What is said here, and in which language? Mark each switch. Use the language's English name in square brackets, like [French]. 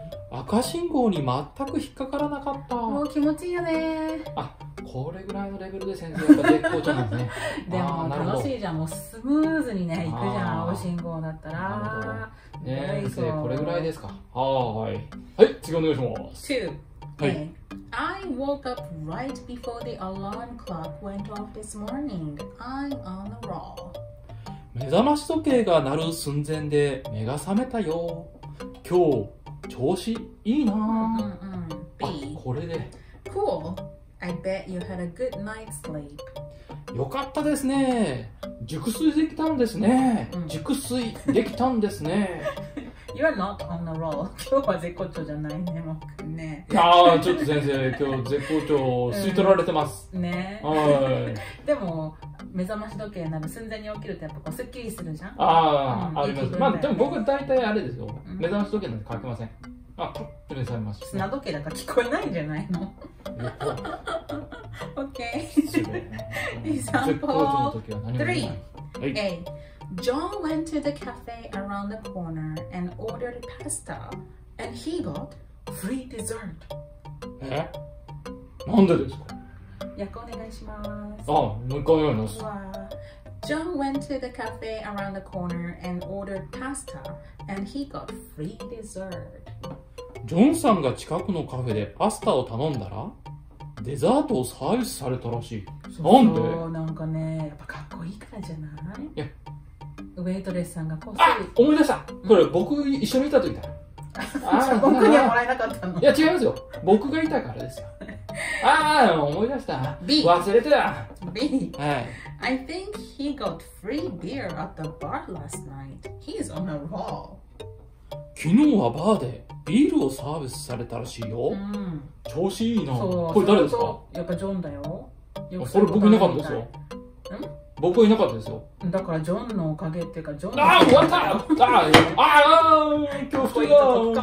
[Japanese] 赤信号に全く引っかからなかった。もう気持ちいいよね。あ、これぐらいのレベルで先生やっぱ絶好調なんですね。でも楽しいじゃん、もうスムーズにね行くじゃん、青信号だったら。なるほどね、先生これぐらいですか。はい、はい、次お願いします。 [English] 2、 [Japanese] はい、 [English] I woke up right before the alarm clock went off this morning. I'm on the roll。 [Japanese] 目覚まし時計が鳴る寸前で目が覚めたよ。今日調子いいな。 B、これで。 [English] Cool、I bet you had a good night's sleep。 [Japanese] よかったですね、熟睡できたんですね、熟睡できたんですね。 [English] You are not on the roll。 [Japanese] 今日は絶好調じゃないね、もくんね。いやちょっと先生、今日絶好調吸い取られてます、ね、はい。でも目覚まし時計なる寸前に起きるとやっぱこうスッキリするじゃん。あ、あります、まあ、でも僕大体あれですよ、目覚まし時計なんて書けません。あ、プレされました。砂時計だから聞こえないんじゃないの。 [English] OK。 Example 3。 A、 John went to the cafe around the corner and ordered pasta and he got free dessert。 [Japanese] え、なんでですか。訳お願いします。あ、もう一回お願いします。 [English] John went to the cafe around the corner and ordered pasta and he got free dessert。 [Japanese] ジョンさんが近くのカフェでパスタを頼んだらデザートをサービスされたらしい。なんで。そう、なんかね、やっぱかっこいいからじゃない。いや、ウェイトレスさんがこっそり。あ、思い出した、これ僕一緒にいた時だ。あ、僕にはもらえなかったの。いや違いますよ、僕がいたからですよ。ああ、思い出した。 B、忘れてた。 B、はい、 [English] I think he got free beer at the bar last night. He's on a roll。 [Japanese] 昨日はバーでビールをサービスされたらしいよ、うん、調子いいな。これ誰ですか。やっぱジョンだよ。それ僕いなかったですよ。ん、僕いなかったですよ。だからジョンのおかげっていうか、ジョン。あ、終わった。あ、今日太いとこ